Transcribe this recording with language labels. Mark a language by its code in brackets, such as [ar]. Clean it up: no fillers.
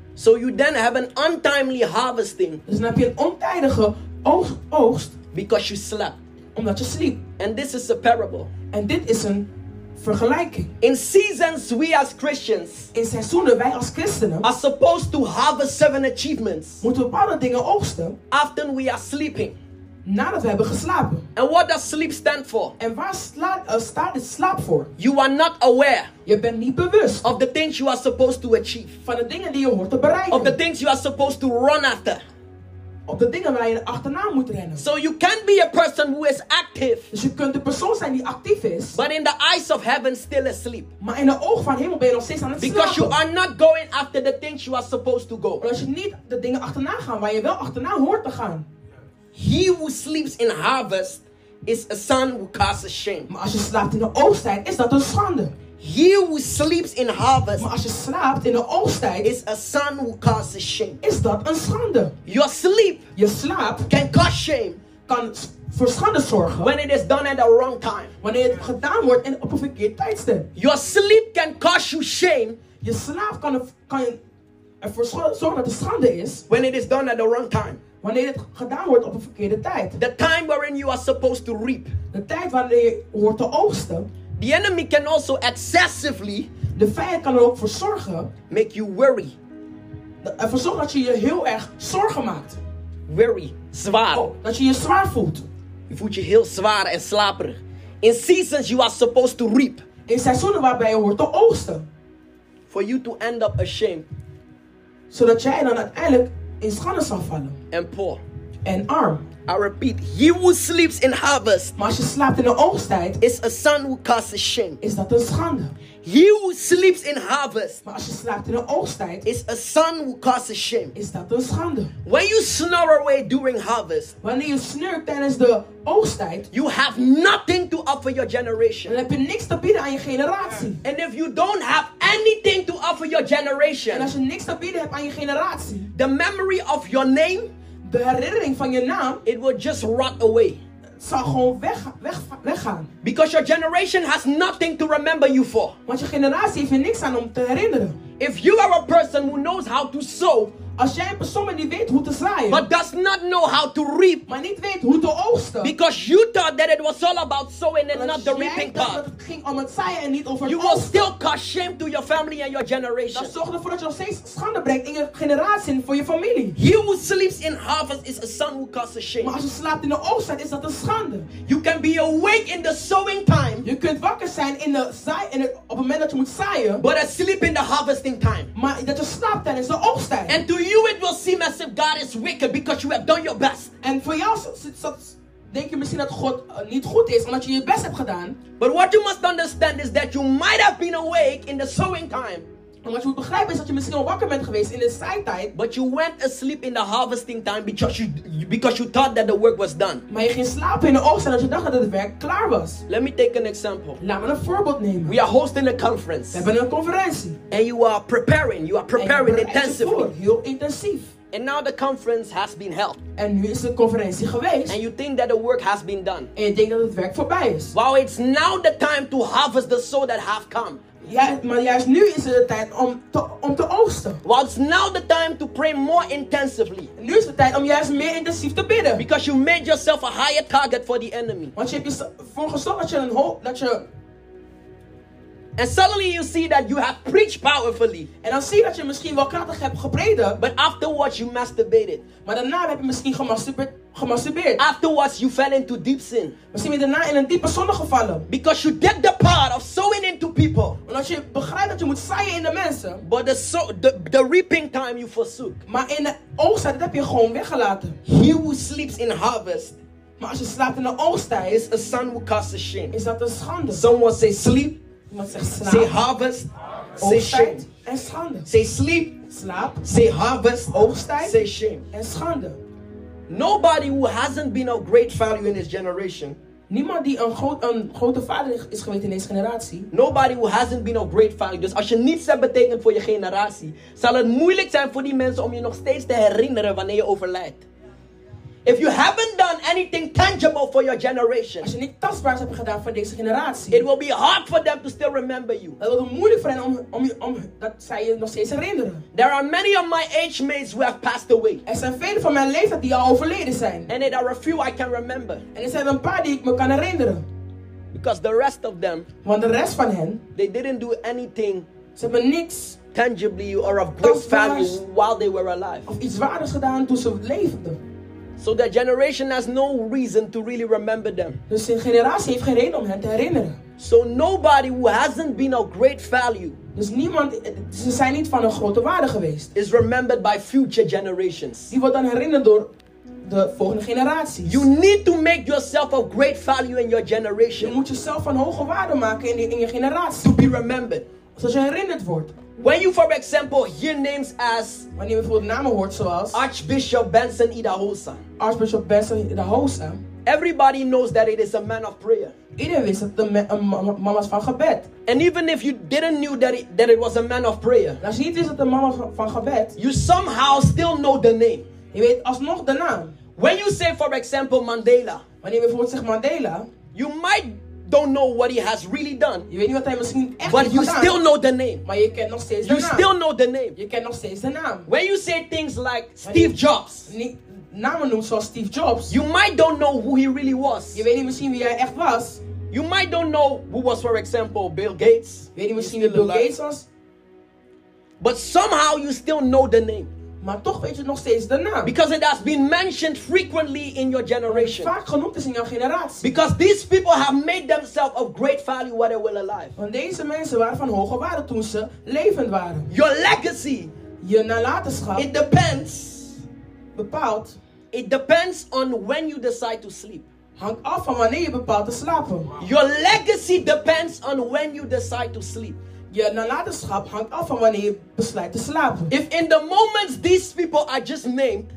[en] So you then have an untimely harvesting. [nl] Dus dan heb je een ontijdige oogst. [en] Because you slept. [nl] Omdat je sleep. [en] And this is a parable. [nl] En dit is een vergelijking. [en] In seasons we as Christians. [nl] In seizoenen wij als christenen. [en] Are supposed to harvest certain achievements. [nl] Moeten we bepaalde dingen oogsten. [en] Often we are sleeping. [nl] Nadat we hebben geslapen. [en] And what does sleep stand for? [nl] En waar staat het slaap voor? [en] You are not aware. [nl] Je bent niet bewust. [en] Of the things you are supposed to achieve. [nl] Van de dingen die je hoort te bereiken. [en] Of the things you are supposed to run after. [nl] op de dingen waar je achterna moet rennen. [en] So you can be a person who is active. [nl] Dus je kunt een persoon zijn die actief is. [en] But in the eyes of heaven, still asleep. [nl] Maar in de ogen van hemel ben je nog steeds aan het slapen. [en] Because you are not going after the things you are supposed to go. [nl] Omdat je niet de dingen achterna gaat waar je wel achterna hoort te gaan. [en] He who sleeps in harvest is a son who casts a shame. [nl] Maar als je slaapt in de oogsttijd, is dat een schande. [en] He who sleeps in harvest, [nl] maar als je slaapt in de oogsttijd, [en] is a son who causes shame. [nl] Is dat een schande? [en] Your sleep, [nl] je slaap, [en] can cause shame, [nl] kan voor schande zorgen. [en] When it is done at the wrong time, [nl] wanneer het gedaan wordt en op een verkeerd tijdstip. [en] Your sleep can cause you shame. [nl] Je slaap kan ervoor zorgen dat het schande is. [en] When it is done at the wrong time, [nl] wanneer het gedaan wordt op een verkeerde tijd. [en] The time wherein you are supposed to reap, [nl] de tijd wanneer je hoort te oogsten. [en] The enemy can also excessively, [nl] de vijand kan er ook voor zorgen, [en] make you worry. [nl] Ervoor zorgen dat je je heel erg zorgen maakt. [en] Worry, zwaar. [nl] Oh, dat je je zwaar voelt. Je voelt je heel zwaar en slaperig. [en] In seasons you are supposed to reap. [nl] In seizoenen waarbij je hoort te oogsten. [en] For you to end up ashamed. [nl] Zodat jij dan uiteindelijk in schande zal vallen. [en] And poor. [nl] En arm. [en] I repeat, he who sleeps in harvest, [nl] maar als je slaapt in de oogsttijd, [en] is a son who causes shame. [nl] Is dat een schande? [en] He who sleeps in harvest, [nl] maar als je slaapt in de oogsttijd, [en] is a son who causes shame. [nl] Is dat een schande? [en] When you snore away during harvest, [nl] wanneer je snurkt tijdens de oogsttijd, [en] you have nothing to offer your generation. [nl] Dan heb je niks te bieden aan je generatie. [en] And if you don't have anything to offer your generation, [nl] en als je niks te bieden hebt aan je generatie, [en] the memory of your name, [nl] de herinnering van je naam, [en] it will just rot away. [nl] Het zal gewoon weggaan. [en] Because your generation has nothing to remember you for. [nl] Want je generatie heeft er niks aan om te herinneren. [en] If you are a person who knows how to sow, [nl] als jij een persoon bent die weet hoe te zaaien, [en] but does not know how to reap, [nl] maar niet weet hoe te oogsten, [en] because you thought that it was all about sowing and not the reaping part, [nl] dat het ging om het zaaien en niet over het [en] you [nl] oogsten, [en] will still cause shame to your family and your generation. [nl] Dat zorgt ervoor dat je nog steeds schande brengt in je generatie en voor je familie. [en] He who sleeps in harvest is a son who causes shame. [nl] Maar als je slaapt in de oogsttijd, is dat een schande. [en] You can be awake in the sowing time. [nl] Je kunt wakker zijn in de op het moment dat je moet zaaien, [en] but asleep in the harvesting time. [nl] Maar dat je slaapt tijdens de oogsttijd. [en] And to you it will seem as if God is wicked because you have done your best. [nl] En voor jou denk je misschien dat God niet goed is omdat je je best hebt gedaan. [en] But what you must understand is that you might have been awake in the sowing time. [nl] En wat je moet begrijpen is dat je misschien al wakker bent geweest in de zaaitijd. [en] But you went asleep in the harvesting time because you thought that the work was done. [nl] Maar je ging slapen in de oogst omdat je dacht dat het werk klaar was. [en] Let me take an example. [nl] Laat me een voorbeeld nemen. [en] We are hosting a conference. [nl] We hebben een conferentie. [en] And you are preparing. You are preparing intensively. [nl] Heel intensief. [en] And now the conference has been held. [nl] En nu is de conferentie geweest. [en] And you think that the work has been done. [nl] En je denkt dat het werk voorbij is. [en] Wow, it's now the time to harvest the soul that have come. [nl] Ja, maar juist nu is het de tijd om te oogsten. [en] Well, it's now the time to pray more intensively. [nl] Nu is het tijd om juist meer intensief te bidden. [en] Because you made yourself a higher target for the enemy. [nl] Want je hebt ervoor gezorgd dat je een hoop, dat je... [en] And suddenly you see that you have preached powerfully. [nl] En dan zie je dat je misschien wel krachtig hebt gepreden. [en] But afterwards you masturbated. [nl] Maar daarna heb je misschien gemasturbeerd. [en] Afterwards you fell into deep sin. [nl] Misschien ben je daarna in een diepe zonde gevallen. [en] Because you get the part of sowing into people. [nl] Omdat je begrijpt dat je moet zaaien in de mensen. [en] But the reaping time you forsook. [nl] Maar in de oogsttijd heb je gewoon weggelaten. [en] He who sleeps in harvest. [nl] Maar als je slaapt in de oogsttijd. [en] Is a son who causes shame. [nl] Is dat een schande? [en] Someone say sleep. [nl] Slaap. [en] Say harvest, [nl] oogsttijd, [en] say shame. [nl] En schande. [en] Say sleep, [nl] slaap. [en] Say harvest, [nl] oogsttijd, [en] say shame. [nl] En schande. [en] Nobody who hasn't been of great value in his generation. [nl] Niemand die een grote vader is geweest in deze generatie. [en] Nobody who hasn't been of great value. [nl] Dus als je niets hebt betekend voor je generatie, zal het moeilijk zijn voor die mensen om je nog steeds te herinneren wanneer je overlijdt. [en] If you haven't done anything tangible for your generation, [nl] als je niet tastbaars hebt gedaan voor deze generatie, [en] it will be hard for them to still remember you. [nl] Het wordt moeilijk voor hen om dat zij je nog steeds herinneren. [en] There are many of my age mates who have passed away. [nl] Er zijn vele van mijn leeftijd die al overleden zijn. [en] And there are a few I can remember. [nl] En er zijn een paar die ik me kan herinneren. [en] Because the rest of them, [nl] want de rest van hen, [en] they didn't do anything. [nl] Ze hebben niks [en] tangibly or of great value while they were alive. [nl] Of iets waardigs gedaan toen ze leefden. [en] So that generation has no reason to really remember them. [nl] Dus een generatie heeft geen reden om hen te herinneren. [en] So nobody who hasn't been of great value. [nl] Dus niemand, ze zijn niet van een grote waarde geweest. [en] Is remembered by future generations. [nl] Die wordt dan herinnerd door de volgende generaties. [en] You need to make yourself of great value in your generation. [nl] Je moet jezelf van hoge waarde maken in je generatie. [en] To be remembered. [nl] Zodat je herinnerd wordt. [en] When you, for example, hear names as [nl] wanneer je bijvoorbeeld namen hoort zoals [en] Archbishop Benson Idahosa. [nl] Archbishop Benson Idahosa. [en] Everybody knows that it is a man of prayer. [nl] Iedereen wist dat het een man was van gebed. [en] And even if you didn't knew that it was a man of prayer. [nl] Als je niet wist dat het een man was van gebed. [en] You somehow still know the name. [nl] Je weet alsnog de naam. [en] When you say, for example, Mandela. [nl] Wanneer je bijvoorbeeld zegt Mandela. [en] You might don't know what he has really done. [nl] Je weet niet wat hij misschien echt [en] but you still know the name. [nl] Maar je kent nog steeds de [en] you [nl] naam. [en] You still know the name. [nl] Je kent nog steeds de naam. [en] When you say things like Steve Jobs. [nl] Namen noemt zoals Steve Jobs. [en] You might don't know who he really was. [nl] Je weet niet misschien wie hij echt was. [en] You might don't know who was, for example, Bill Gates. [nl] Je weet niet misschien wie Bill Gates was. [en] But somehow you still know the name. [nl] Maar toch weet je nog steeds de naam. [en] Because it has been mentioned frequently in your generation. [nl] Vaak genoemd is in jouw generatie. [en] Because these people have made themselves of great value while they were alive. [nl] Want deze mensen waren van hoge waarde toen ze levend waren. [en] Your legacy. [nl] Je nalatenschap. [en] It depends. [nl] Bepaald. [en] It depends on when you decide to sleep. [nl] Hangt af van wanneer je bepaalt te slapen. [en] Your legacy depends on when you decide to sleep. [nl] Je nalatenschap hangt af van wanneer je besluit te slapen. [en] If in the moments these people are just named,